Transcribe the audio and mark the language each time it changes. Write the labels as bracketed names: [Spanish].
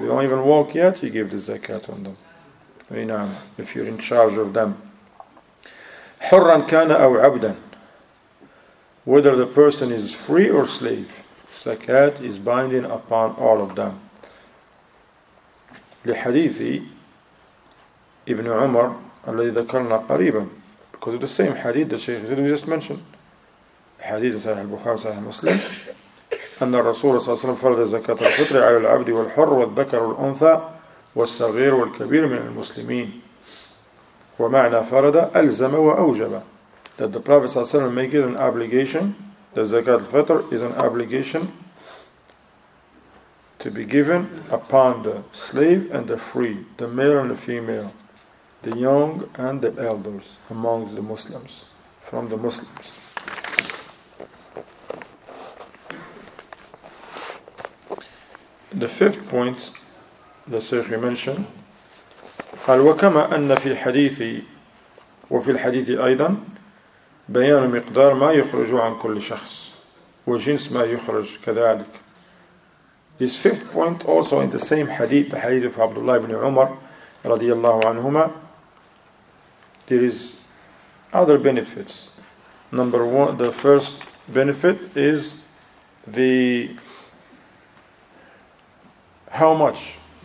[English] They don't even walk yet. You give the zakat on them. You know, if you're in charge of them. [Arabic] حُرًّا كَانَ أَوْ عَبْدًا. [English] Whether the person is free or slave, zakat is binding upon all of them. [Arabic] لِحَدِيثِ Ibn Umar الَّذِي ذَكَرْنَا قَرِيبًا. [English] Because of the same hadith that Shaykh said we just mentioned. [Arabic] حديث صحيح البخاري صحيح مسلم أن الرسول صلى الله عليه وسلم فرض زكاة الفطر على العبد والحر والذكر والأنثى والصغير والكبير من المسلمين ومعنى فرض ألزم وأوجب. [English] That the Prophet صلى الله عليه وسلم make it an obligation, that زكاة الفطر is an obligation to be given upon the slave and the free, the male and the female, the young and the elders among the Muslims, from the Muslims. The fifth point that Sheikh mentioned, [Arabic] قال وكما أن في حديثي وفي الحديث أيضا بيان مقدار ما يخرج عن كل شخص وجنس ما يخرج كذلك. [English] This fifth point also in the same hadith, the hadith of Abdullah ibn Umar رضي الله عنهما, there is other benefits. Number one, the first benefit is the how much?